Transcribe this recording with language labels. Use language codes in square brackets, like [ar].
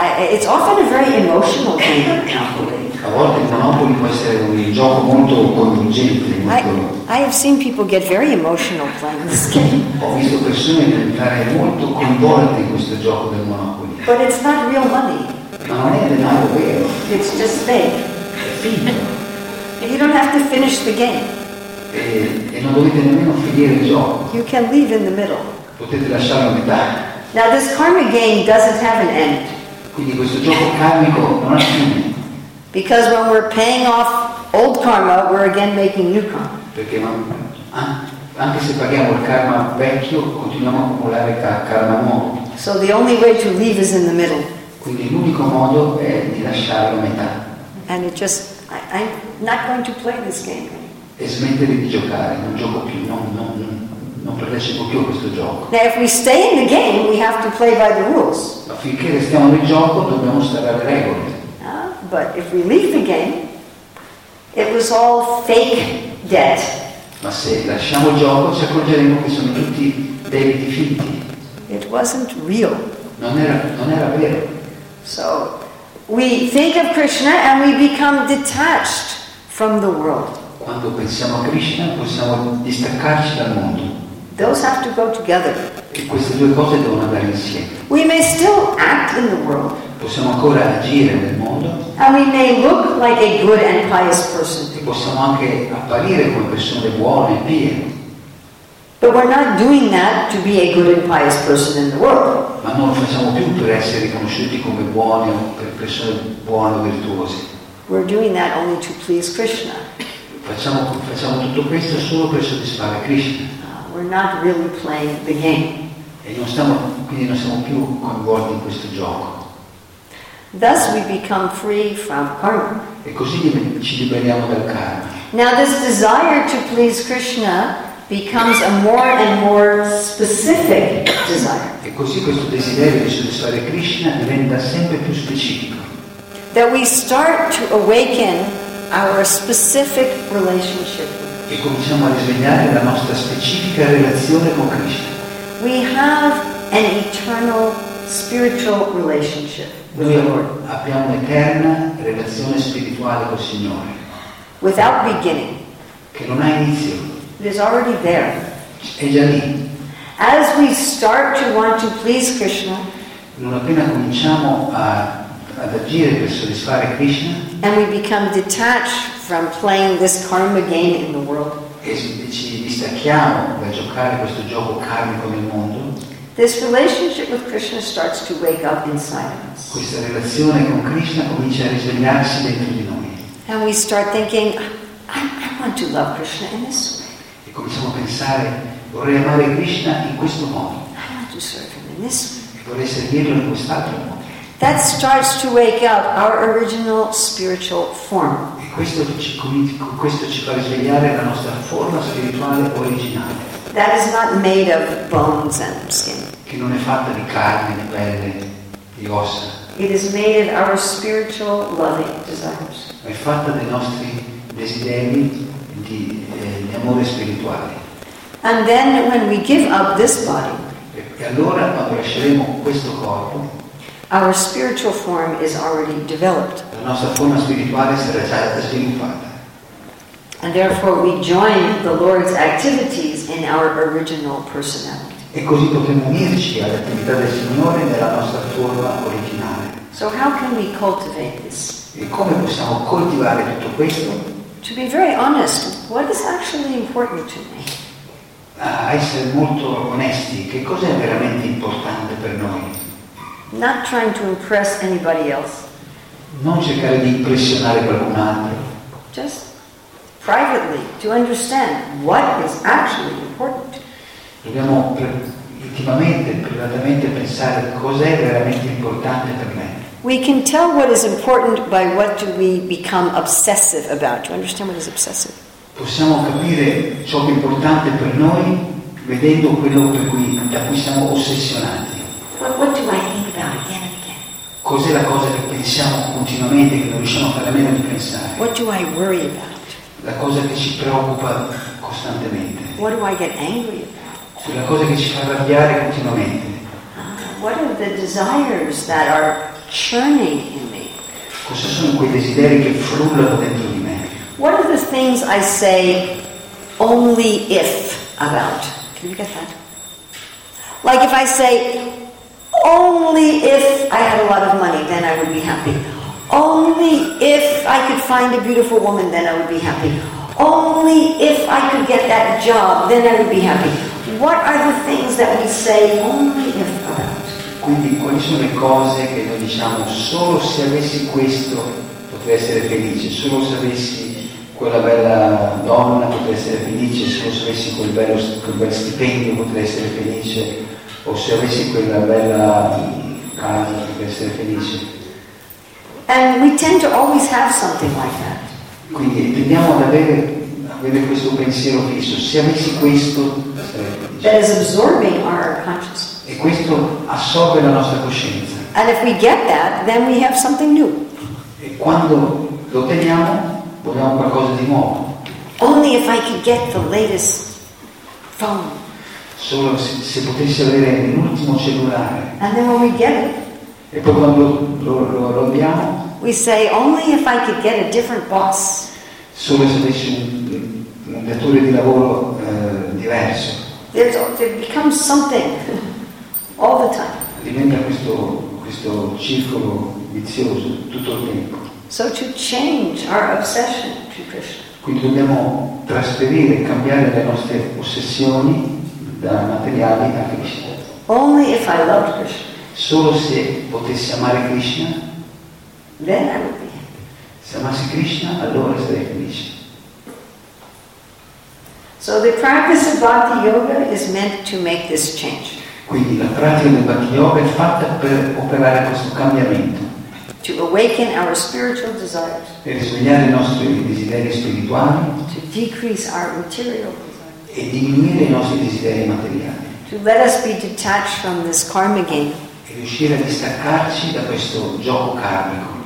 [en] It's often a very emotional game of Monopoly. [it] A volte il Monopoli può essere un gioco molto coinvolgente. [en] I have seen people get very emotional playing this game. [it] Ho visto persone diventare molto coinvolte in questo gioco del Monopoli. [en] But it's not real money. [it] Ma non è denaro vero. [en] It's just fake. And you don't have to finish the game. [it] E non dovete nemmeno finire il gioco. [en] You can leave in the middle. [it] Potete lasciarlo a metà. [en] Now this karma game doesn't have an end. [it] Quindi questo gioco karmico non ha fine. [en] Because when we're paying off old karma, we're again making new karma. [it] Perché anche se paghiamo il karma vecchio, continuiamo a accumulare karma nuovo. [en] So the only way to leave is in the middle. [it] Quindi l'unico modo è di lasciarlo a metà. [en] And it just, I'm not going to play this game. [it] E smettere di giocare, non gioco più, non partecipo più a questo gioco. [en] Now if we stay in the game, we have to play by the rules. [it] Ma finché restiamo nel gioco, dobbiamo stare alle regole. [en] But if we leave the game, it was all fake debt. [it] Ma se lasciamo il gioco, ci accorgeremo che sono tutti debiti finti. [en] It wasn't real. [it] Non era vero. [en] So we think of Krishna and we become detached from the world. [it] Quando pensiamo a Krishna, possiamo distaccarci dal mondo. [en] Those have to go together. [it] E queste due cose devono andare insieme. [en] We may still act in the world. [it] Possiamo ancora agire nel mondo. [en] And we may look like a good and pious person. [it] E possiamo anche apparire come persone buone e pie. [en] But we're not doing that to be a good and pious person in the world. [it] Ma non lo facciamo più per essere riconosciuti come buoni o per persone buone o virtuose. [en] We're doing that only to please Krishna. [it] Facciamo tutto questo solo per soddisfare Krishna. [en] We're not really playing the game. [it] E non siamo più coinvolti in questo gioco. [en] Thus we become free from karma. [it] E così ci liberiamo dal karma. [en] Now this desire to please Krishna becomes a more and more specific desire. [it] E così questo desiderio di soddisfare Krishna diventa sempre più specifico. [en] That we start to awaken our specific relationship. [it] E cominciamo a risvegliare la nostra specifica relazione con Krishna. [en] We have an eternal spiritual relationship. [it] Noi abbiamo un'eterna relazione spirituale col Signore. [en] Without beginning. [it] Che non ha inizio. [en] It is already there. [it] È già lì. [en] As we start to want to please Krishna. [it] Non appena cominciamo ad agire per soddisfare Krishna. [en] And we become detached from playing this karma game in the world. [it] E ci distacchiamo da giocare questo gioco karmico nel mondo. [en] This relationship with Krishna starts to wake up inside of us. [it] Questa relazione con Krishna comincia a risvegliarsi dentro di noi. [en] And we start thinking, I want to love Krishna in this way. [it] E cominciamo a pensare, vorrei amare Krishna in questo modo. [en] I want to serve him in this way. [it] Vorrei servirlo in quest'altro modo. [en] That starts to wake up our original spiritual form. [it] E questo ci fa risvegliare la nostra forma spirituale originale. [en] That is not made of bones and skin. [it] Che non è fatta di carne, di pelle, di ossa. [en] It is made of our spiritual loving desires. [it] È fatta dei nostri desideri di amore spirituale. [en] And then when we give up this body, [it] e allora quando lasceremo questo corpo, [en] our spiritual form is already developed. [it] La nostra forma spirituale sarà già stata sviluppata. [en] And therefore we join the Lord's activities in our original personality. [it] E così potremo unirci alle attività del Signore nella nostra forma originale. [en] So how can we cultivate this? [it] E come possiamo coltivare tutto questo? [en] To be very honest, what is actually important to me? [it] A essere molto onesti, che cosa è veramente importante per noi? [en] Not trying to impress anybody else. [it] Non cercare di impressionare qualcun altro. [en] Just privately to understand what is actually important. [it] Dobbiamo intimamente, privatamente pensare cos'è veramente importante per me. [en] We can tell what is important by what do we become obsessive about. Do you understand what is obsessive? [it] Possiamo capire ciò che è importante per noi vedendo quello per cui, da cui siamo ossessionati. [en] What do I think about again and again? [it] Cos'è la cosa che pensiamo continuamente che non riusciamo a fare a meno di pensare? [en] What do I worry about? [it] La cosa che ci preoccupa costantemente. [en] What do I get angry about? [it] Sulla cosa che ci fa arrabbiare continuamente. [en] What are the desires that are churning in me? [it] Cosa sono quei desideri che frullano dentro di me? [en] What are the things I say only if about? Can you get that? Like if I say, only if I had a lot of money, then I would be happy. Only if I could find a beautiful woman, then I would be happy. Only if I could get that job, then I would be happy. What are the things that we say only if about? [it] Quindi, quali sono le cose che noi diciamo solo se avessi questo potrei essere felice, solo se avessi quella bella donna potrei essere felice, solo se avessi quel bel stipendio potrei essere felice, o se avessi quella bella casa potrei essere felice. [en] And we tend to always have something like that. [it] Quindi tendiamo ad avere questo pensiero fisso, se avessi questo sarei felice. [en] That is absorbing our consciousness. [it] E questo assorbe la nostra coscienza. [en] And if we get that, then we have something new. [it] E quando lo otteniamo vogliamo qualcosa di nuovo. [en] Only if I could get the latest phone. [it] Solo se potessi avere l'ultimo cellulare. [en] And then when we get it, [it] e poi quando lo abbiamo, [en] we say only if I could get a different boss. [it] Solo se avessi un datore di lavoro diverso. [en] There becomes something all the time. [it] Diventa questo circolo vizioso tutto il tempo. [en] So to change our obsession to Krishna. [it] Quindi dobbiamo trasferire, cambiare le nostre ossessioni da materiali a Krishna. [en] Only if I loved Krishna. [it] Solo se potessi amare Krishna. [en] Then I would be. [it] Se amassi Krishna, allora sarei felice. [en] So the practice of Bhakti Yoga is meant to make this change. [it] Quindi la pratica del Bhakti Yoga è fatta per operare questo cambiamento. [en] To awaken our spiritual desires. [it] Per risvegliare i nostri desideri spirituali. [en] To decrease our material desires. [it] E diminuire i nostri desideri materiali. [en] To let us be detached from this karma game. [it] E riuscire a distaccarci da questo gioco karmico.